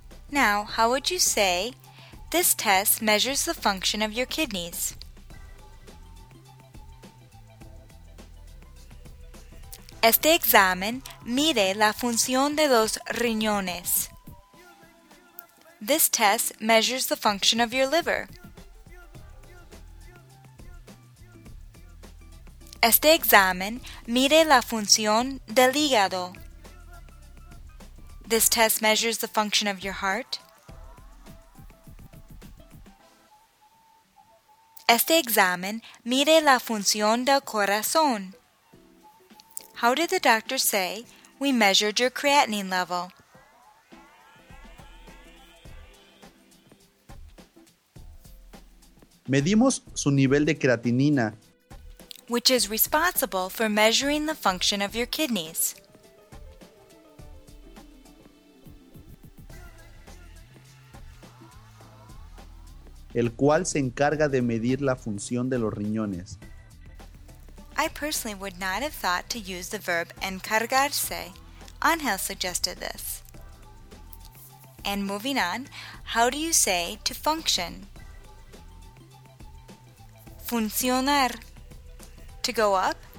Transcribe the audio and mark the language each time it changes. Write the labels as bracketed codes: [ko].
[en] Now, how would you say this test measures the function of your kidneys? [es] Este examen mide la función de los riñones. [en] This test measures the function of your liver. [es] Este examen mide la función del hígado. [en] This test measures the function of your heart. [es] Este examen mide la función del corazón. [en] How did the doctor say, we measured your creatinine level? [es] Medimos su nivel de creatinina. [en] Which is responsible for measuring the function of your kidneys. [es] El cual se encarga de medir la función de los riñones. [en] I personally would not have thought to use the verb encargarse. Ángel suggested this. And moving on, how do you say to function? [es] funcionar. [en] To go up.